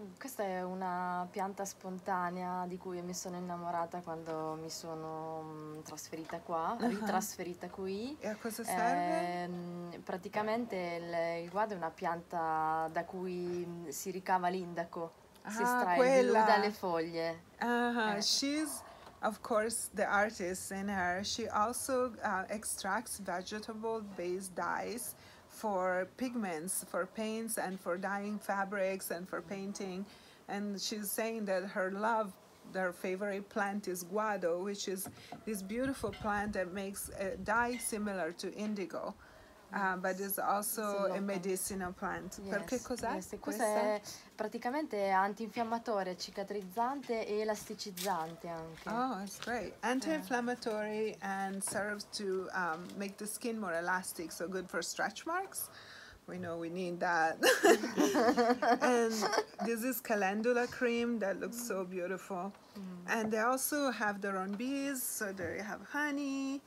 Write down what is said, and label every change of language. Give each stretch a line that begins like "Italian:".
Italian: Questa è una pianta spontanea di cui mi sono innamorata quando mi sono trasferita qua, ritrasferita qui. E a cosa serve? Praticamente il guado è una pianta da cui si ricava l'indaco, si estrae quella. Di lui dalle foglie.
English: She's, of course, the artist in her. She also extracts vegetable-based dyes for pigments, for paints, and for dyeing fabrics, and for painting. And she's saying that her love, her favorite plant is guado, which is this beautiful plant that makes a dye similar to indigo, but is also a medicinal plant. Yes.
Italian: Perché cos'è? Yes, questa è praticamente antinfiammatoria, cicatrizzante e elasticizzante anche.
English: Oh, that's great. Anti-inflammatory and serves to make the skin more elastic, so good for stretch marks. We know we need that. And this is calendula cream that looks so beautiful. And they also have their own bees, so they have honey.